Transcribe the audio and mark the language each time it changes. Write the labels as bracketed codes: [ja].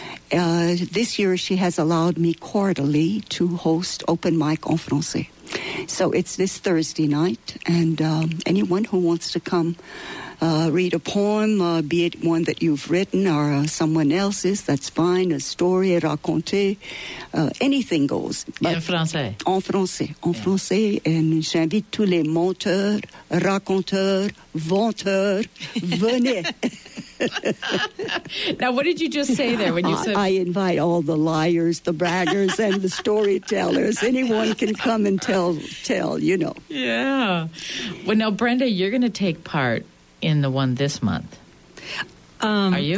[en] This year she has allowed me quarterly to host open mic [fr] en français. [en] So it's this Thursday night, and anyone who wants to come read a poem, be it one that you've written or someone else's, that's fine, a story, a raconté, anything goes. [fr] But en français. En français. En français, and j'invite tous les menteurs, raconteurs, venteurs, venez. [en] Now, what did you just say there when you said... I invite all the liars, the braggers, and the storytellers. Anyone can come and tell, you know. Yeah. Well, now, Brenda, you're going to take part in the one this month. Are you?